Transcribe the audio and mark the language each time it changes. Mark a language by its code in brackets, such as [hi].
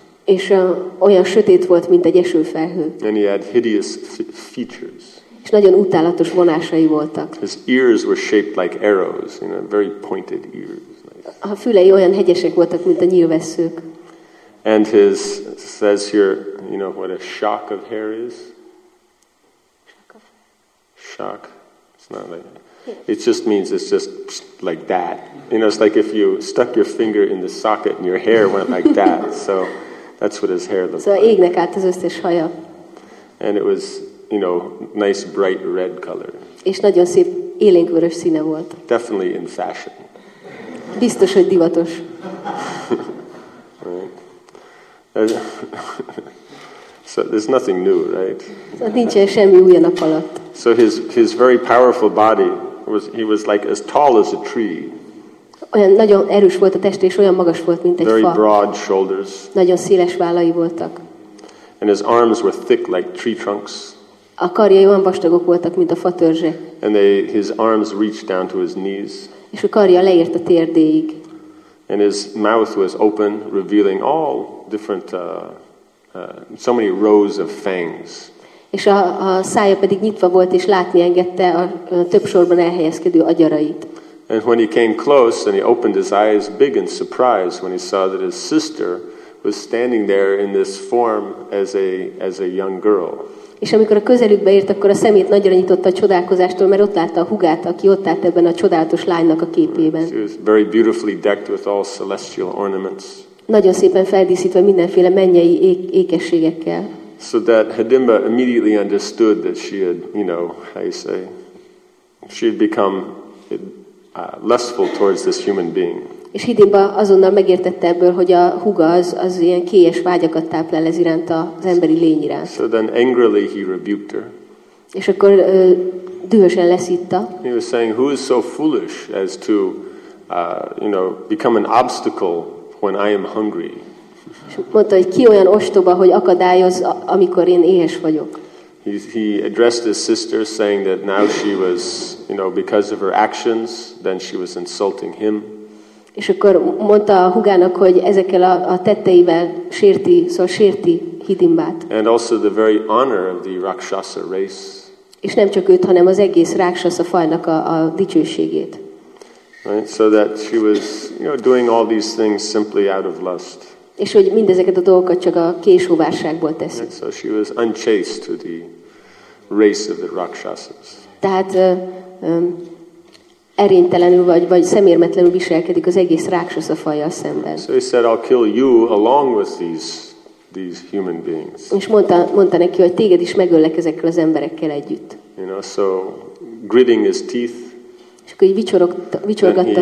[hu] És olyan sötét volt, mint egy esőfelhő. [en] And he had hideous features. [hu] És nagyon utálatos vonásai voltak. [en] His ears were shaped like arrows, you know, very pointed ears. [hu] A fülei olyan hegyesek voltak, mint a nyílvesszők. [en] And his says here, you know what a shock of hair is. Shock. It's not like that. It just means it's just like that. You know, it's like if you stuck your finger in the socket and your hair went like that. So that's what his hair looked so like. [hu] So égnek át az összes haja. [en] And it was, you know, nice bright red color. [hu] És nagyon szép élénkvörös színe volt. [en] Definitely in fashion. [hu] Biztos, hogy divatos. [en] So there's nothing new, right? [hu] Nincsen semmi új a nap alatt. [en] So his very powerful body was, he was like as tall as a tree. [hu] Olyan nagyon erős volt a teste, és olyan magas volt, mint egy [en] very [hu] fa. [en] Very broad shoulders. [hu] Nagyon széles vállai voltak. [en] And his arms were thick like tree trunks. [hu] A karjai olyan vastagok voltak, mint a fatörzse. [en] And his arms reached down to his knees. [hu] És a karja leért a térdéig. [en] And his mouth was open, revealing all different so many rows of fangs. [hu] És a szája pedig nyitva volt, és látni engedte a több sorban elhelyezkedő agyarait. [en] And when he came close, and he opened his eyes big in surprise when he saw that his sister was standing there in this form as a young girl. [hu] És amikor a közelükbe ért, akkor a szemét nagyra nyitotta a csodálkozástól, mert ott látta a húgát, aki ott állt ebben a csodálatos lánynak a képében. [en] She was very beautifully decked with all celestial ornaments. [hu] Nagyon szépen feldíszítve mindenféle mennyei ékességekkel. [en] So that Hedimba immediately understood that she had, you know, how you say, she had become lustful towards this human being. [hu] És Hedimba azonnal megértette ebből, hogy a húga az ilyen kélyes vágyakat táplál ez iránt az emberi lény iránt. [en] So then angrily he rebuked her. [hu] És akkor dühösen leszitta. [en] He was saying, who is so foolish as to, you know, become an obstacle when I am hungry? [hu] Mondta, hogy ki olyan ostoba, hogy akadályoz, amikor én éhes vagyok. [en] He addressed his sister, saying that now she was, you know, because of her actions, then she was insulting him. [hu] És akkor mondta a húgának, hogy ezekkel a tetteivel sérti, szóval sérti Hedimbát. [en] And also the very honor of the Rakshasa race. [hu] És nem csak őt, hanem az egész Rakshasa fajnak a dicsőségét. [en] Right? So that she was, you know, doing all these things simply out of lust. [hu] És hogy mindezeket a dolgokat csak a késhóvárságból teszi. [en] So she was unchaste to the race of the Rakshasas. [hu] Tehát erénytelenül vagy szemérmetlenül viselkedik az egész Rakshasa fajjal szemben. [en] So he said, I'll kill you along with these human beings. [hu] És mondta neki, hogy téged is megöllek ezekkel az emberekkel együtt. [en] You know, so gritting his teeth. [hu] És akkor így vicsorgatta